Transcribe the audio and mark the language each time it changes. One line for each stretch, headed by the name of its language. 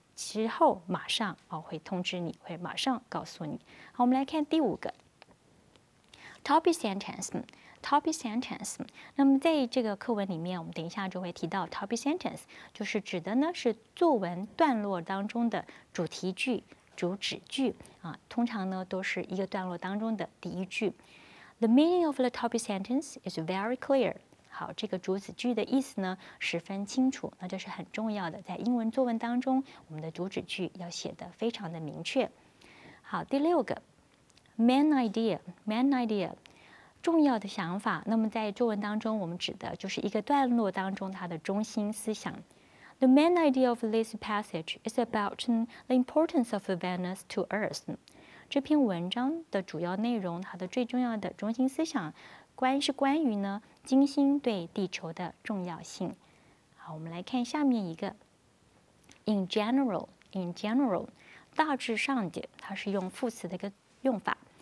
Chinese: 之后马上、会通知你会马上告诉你好我们来看第五个 Topic sentence 那么在这个课文里面我们等一下就会提到 Topic sentence 就是指的呢是作文段落当中的主题句主旨句、通常呢都是一个段落当中的第一句
English: The meaning of the topic sentence is very clear
Chinese: 好，这个主旨句的意思呢，十分清楚，那这是很重要的。在英文作文当中，我们的主旨句要写得非常的明确。好，第六个
English: main idea, main idea,
Chinese: 重要的想法。那么在中文当中，我们指的就是一个段落当中它的中心思想。
English: The main idea of this passage is about the importance of Venus to Earth.
Chinese: 这篇文章的主要内容，它的最重要的中心思想，关于呢金星对地球的重要性。好，我们来看下面一个。
English: In general,
Chinese: 大致上的，它是用副词的一个用法。